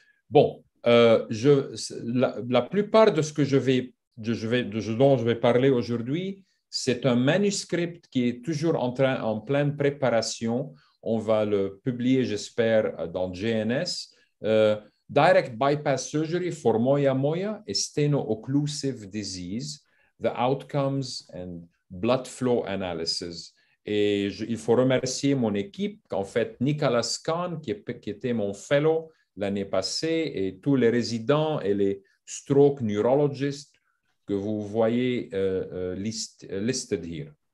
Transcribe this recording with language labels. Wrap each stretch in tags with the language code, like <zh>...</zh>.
<fr>Bon, la plupart de ce que je vais dont je vais parler aujourd'hui, c'est un manuscrit qui est toujours en pleine préparation. On va le publier, j'espère, dans JNS.</fr> <en>Direct bypass surgery for Moyamoya is steno-occlusive disease, the outcomes and blood flow analysis.</en> <fr>Et il faut remercier mon équipe, en fait, Nicolas Kahn, qui était mon fellow l'année passée, et tous les résidents et les</fr> <en>stroke neurologists</en> <fr>que vous voyez</fr> <en>listed here.</en>